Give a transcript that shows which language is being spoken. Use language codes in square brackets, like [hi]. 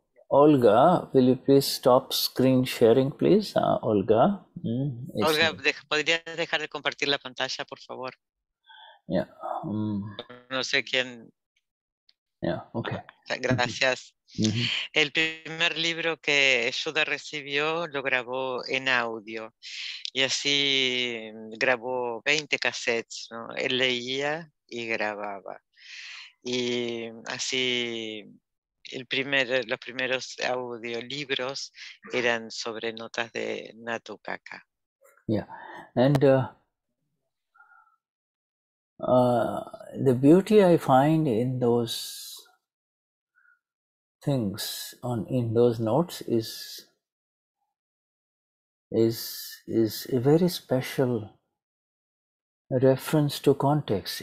[en] Olga, will you please stop screen sharing, please? Olga. [es] Olga, ¿podrías dejar de compartir la pantalla, por favor? [en] Yeah. [es] No sé quién. [en] Yeah, okay. [es] Gracias. Uh-huh. El primer libro que Shuddha recibió lo grabó en audio y así grabó 20 cassettes, ¿no? Él leía y grababa y así los primeros audiolibros eran sobre notas de Natu Kaka. [en] Yeah, and the beauty I find in those things on in those notes is a very special reference to context.